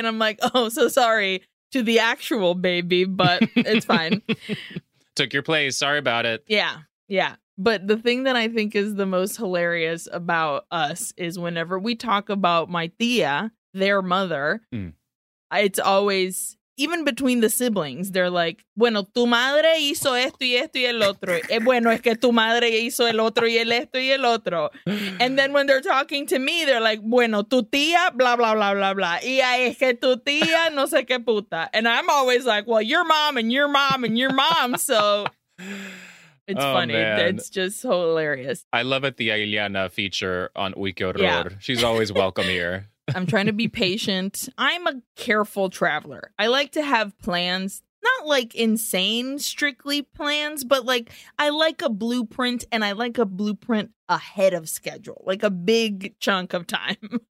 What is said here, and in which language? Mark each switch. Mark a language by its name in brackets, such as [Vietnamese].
[English] And I'm like, "Oh, so sorry to the actual baby, but it's fine." Took your place. Sorry about it. Yeah. Yeah. But the thing that I think is the most hilarious about us is whenever we talk about my tía, their mother, it's always... Even between the siblings, they're like, [Spanish] "Bueno, tu madre hizo esto y esto y el otro. Bueno, es que tu madre hizo el otro y el esto y el otro." [English] And then when they're talking to me, they're like, [Spanish] "Bueno, tu tía, [English] blah, blah, blah, blah, blah. [Spanish] Y es que tu tía no sé qué puta." [English] And I'm always like, "Well, your mom and your mom and your mom." So it's funny. Man. It's just hilarious. I love it, the Ailiana feature on Uy, qué horror. Yeah. She's always welcome here. I'm trying to be patient. I'm a careful traveler. I like to have plans, not like insane, strictly plans, but like I like a blueprint, and I like a blueprint ahead of schedule, like a big chunk of time.